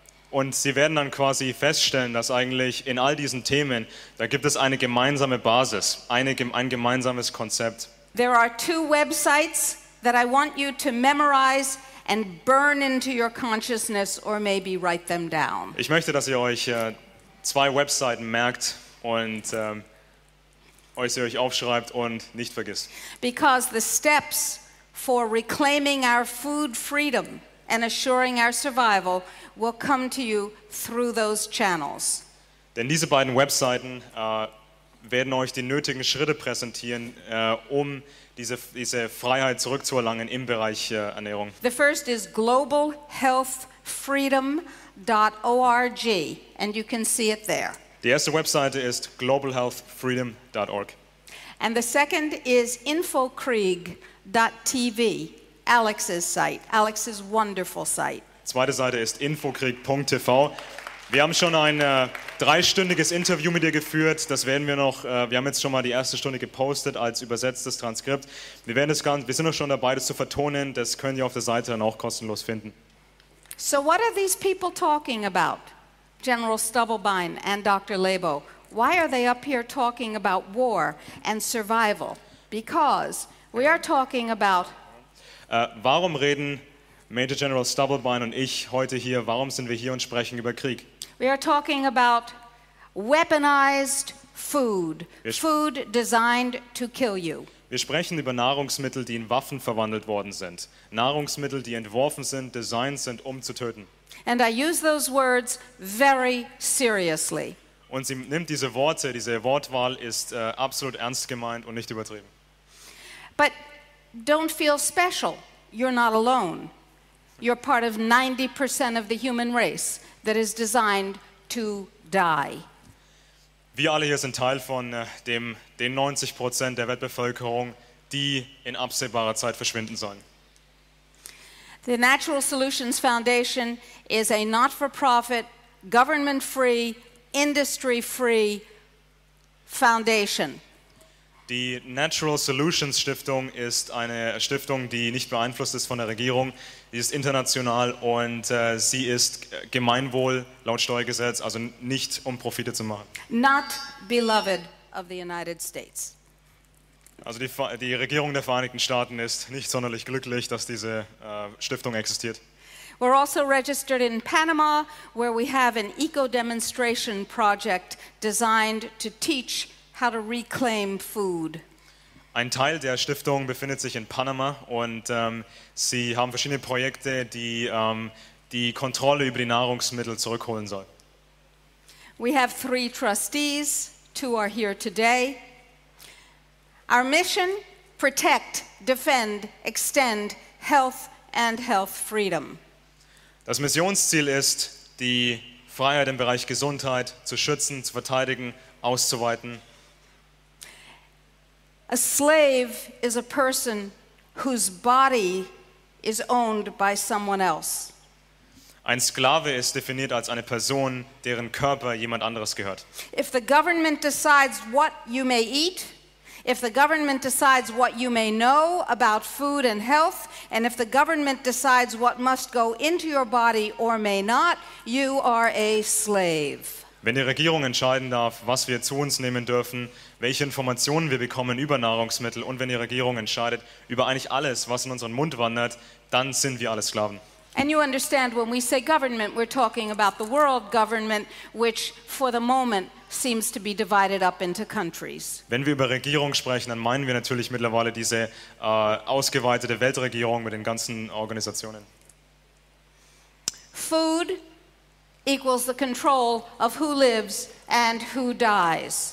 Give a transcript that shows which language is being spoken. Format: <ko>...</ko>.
<de>Und Sie werden dann quasi feststellen, dass eigentlich in all diesen Themen, da gibt es eine gemeinsame Basis, ein gemeinsames Konzept.</de> <en>There are two websites that I want you to memorize and burn into your consciousness or maybe write them down.</en> <de>Ich möchte, dass ihr euch zwei Webseiten merkt und euch aufschreibt und nicht vergisst.</de> <en>Because the steps for reclaiming our food freedom and assuring our survival will come to you through those channels.</en> <de>Denn diese beiden Webseiten werden euch die nötigen Schritte präsentieren, um diese Freiheit zurückzuerlangen im Bereich Ernährung.</de> <en>The first is globalhealthfreedom.org, and you can see it there.</en> <de>Die erste Webseite ist globalhealthfreedom.org.</de> <en>And the second is infokrieg.tv, Alex's site, Alex's wonderful site.</en> <de>Zweite Seite ist infokrieg.tv. Wir haben schon ein dreistündiges Interview mit dir geführt. Das werden wir noch. Wir haben jetzt schon mal die erste Stunde gepostet als übersetztes Transkript. Wir sind auch schon dabei, das zu vertonen. Das könnt ihr auf der Seite dann auch kostenlos finden.</de> <en>So, what are these people talking about? General Stubblebine and Dr. Labo. Why are they up here talking about war and survival? Because we are talking about.</en> <de>Warum reden Major General Stubblebine und ich heute hier, warum sind wir hier und sprechen über Krieg?</de> <en>We are talking about weaponized food. Food designed to kill you.</en> <de>Wir sprechen über Nahrungsmittel, die in Waffen verwandelt worden sind. Nahrungsmittel, die entworfen sind, designed sind, um zu töten.</de> <en>And I use those words very seriously.</en> <de>Und sie nimmt diese Worte, diese Wortwahl ist absolut ernst gemeint und nicht übertrieben.</de> <en>But don't feel special. You're not alone. You're part of 90% of the human race that is designed to die.</en> <de>Wir alle hier sind Teil von den 90% der Weltbevölkerung, die in absehbarer Zeit verschwinden sollen.</de> <en>The Natural Solutions Foundation is a not-for-profit, government-free, industry-free foundation.</en> <de>Die Natural Solutions Stiftung ist eine Stiftung, die nicht beeinflusst ist von der Regierung. Sie ist international und sie ist Gemeinwohl laut Steuergesetz, also nicht um Profite zu machen.</de> <en>Not beloved of the United States.</en> <de>Also die Regierung der Vereinigten Staaten ist nicht sonderlich glücklich, dass diese Stiftung existiert.</de> <en>We're also registered in Panama, where we have an eco-demonstration project designed to teach how to reclaim food.</en> <de>Ein Teil der Stiftung befindet sich in Panama und sie haben verschiedene Projekte, die die Kontrolle über die Nahrungsmittel zurückholen sollen.</de> <en>We have three trustees. Two are here today. Our mission: protect, defend, extend health and health freedom.</en> <de>Das Missionsziel ist, die Freiheit im Bereich Gesundheit zu schützen, zu verteidigen, auszuweiten.</de> <en>A slave is a person whose body is owned by someone else.</en> <de>Ein Sklave ist definiert als eine Person, deren Körper jemand anderes gehört.</de> <en>If the government decides what you may eat, if the government decides what you may know about food and health, and if the government decides what must go into your body or may not, you are a slave.</en> <de>Wenn die Regierung entscheiden darf, was wir zu uns nehmen dürfen, welche Informationen wir bekommen über Nahrungsmittel und wenn die Regierung entscheidet über eigentlich alles, was in unseren Mund wandert, dann sind wir alle Sklaven.</de> <en>And you understand when we say government, we're talking about the world government, which for the moment seems to be divided up into countries.</en> <de>Wenn wir über Regierung sprechen, dann meinen wir natürlich mittlerweile diese ausgeweitete Weltregierung mit den ganzen Organisationen.</de> <en>Food equals the control of who lives and who dies.</en>